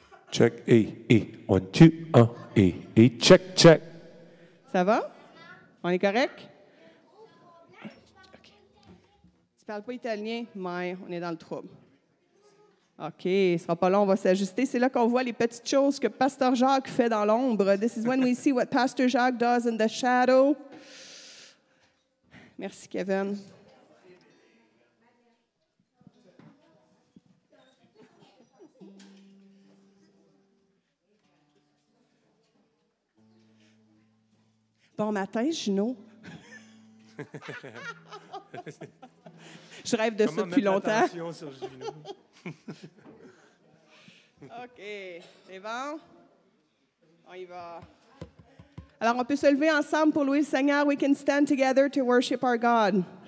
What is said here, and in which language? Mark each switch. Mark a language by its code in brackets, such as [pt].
[en] Check, one, two, un, check, check. [fr] Ça va? On est correct? OK. Tu parles pas italien? Mais on est dans le trouble. OK, ce ne sera pas long, on va s'ajuster. C'est là qu'on voit les petites choses que Pasteur Jacques fait dans l'ombre. [en] This is when we see what Pastor Jacques does in the shadow. [fr] Merci, Kevin. Bon matin, Gino. Je rêve de Comment ça depuis longtemps. Attention sur Gino. OK, c'est bon? On y va. Alors, on peut se lever ensemble pour louer le Seigneur. [en] We can stand together to worship our God.